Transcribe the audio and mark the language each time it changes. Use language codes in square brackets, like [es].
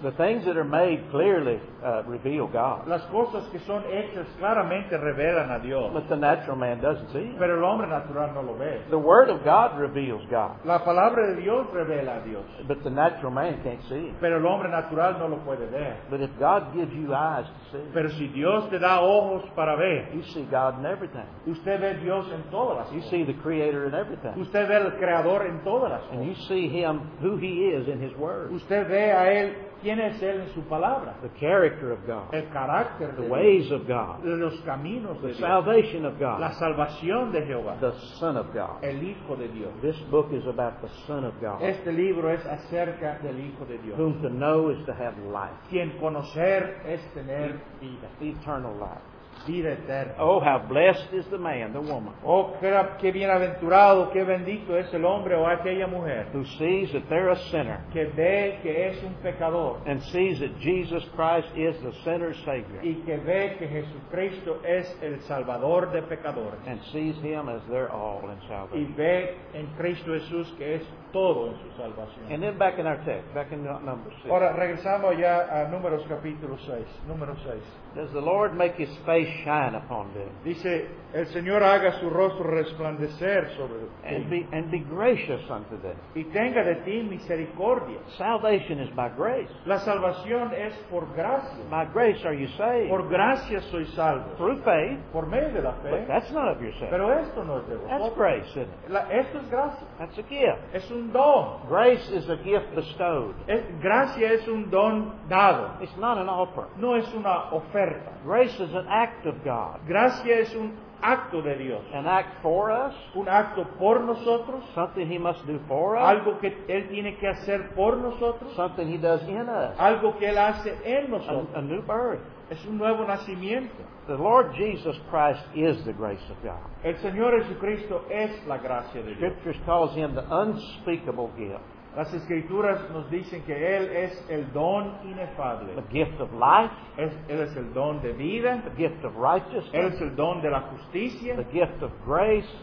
[en] The things that are made clearly reveal God. [es] Las cosas que son hechas claramente revelan a Dios. [en] But the natural man doesn't see Him. [es] Pero el hombre natural no lo ve. [en] The word of God reveals God. [es] La palabra de Dios revela a Dios. [en] But the natural man can't see Him. [es] Pero el hombre natural no lo puede ver. [en] But if God gives you eyes to see, [es] pero si Dios te da ojos para ver, [en] you see God in everything. [es] Usted ve Dios en todas. [en] You see the Creator in everything. [es] Usted ve el Creador en todas las cosas. [en] And you see Him, who He is in His Word. [es] Usted ve a Él, quién es Él en su palabra. [en] The character of God. [es] El carácter de Dios. [en] The ways of God. [es] Los caminos de Dios. [en] The salvation of God. [es] La salvación de Jehová. [en] The Son of God. [es] El Hijo de Dios. [en] This book is about the Son of God. [es] Este libro es acerca del Hijo de Dios. [en] Whom to know is to have life. [es] Quien conocer es tener vida. [en] Eternal life. [es] Vida eterna. [en] Oh, how blessed is the man, the woman. [es] Oh, qué bienaventurado, qué bendito es el hombre o aquella mujer. [en] Who sees that they're a sinner. [es] Que ve que es un pecador. [en] And sees that Jesus Christ is the sinner's Savior. [es] Y que ve que Jesucristo es el salvador de pecadores. [en] And sees Him as their all in salvation. [es] Y ve en Cristo Jesús que es todo en su salvación. [en] And then back in our text, back in Numbers 6. [es] Ahora regresamos ya a Números capítulo 6. Número 6. [en] Does the Lord make His face shine upon them? [es] Dice, el Señor haga su rostro resplandecer sobre ti. [en] And be gracious unto them. [es] Y tenga de ti misericordia. [en] Salvation is by grace. [es] La salvación es por gracia. [en] By grace are you saved. [es] Por gracia soy salvo. [en] Through faith. [es] Por medio de la fe. [en] But that's not of yourself. [es] Pero esto no es de vosotros. [en] That's grace, isn't it? [es] Esto es gracia. [en] That's a gift. [es] Es un don. [en] Grace is a gift bestowed. [es] Gracia es un don dado. [en] It's not an offer. [es] No es una oferta. [en] Grace is an act of God. [es] Gracia es un acto de Dios. [en] An act for us. [es] Un acto por nosotros. [en] Something He must do for us. [es] Algo que Él tiene que hacer por nosotros. [en] Something He does in us. [es] Algo que Él hace en nosotros. [en] A new birth. [es] Es un nuevo nacimiento. [en] The Lord Jesus Christ is the grace of God. [es] El Señor Jesucristo es la gracia de Dios. [en] Scriptures calls Him the unspeakable gift. [es] Las escrituras nos dicen que Él es el don inefable. [en] The gift of life. [es] Él es el don de vida. [en] The gift of righteousness. [es] Él es el don de la justicia. [en] The gift of grace.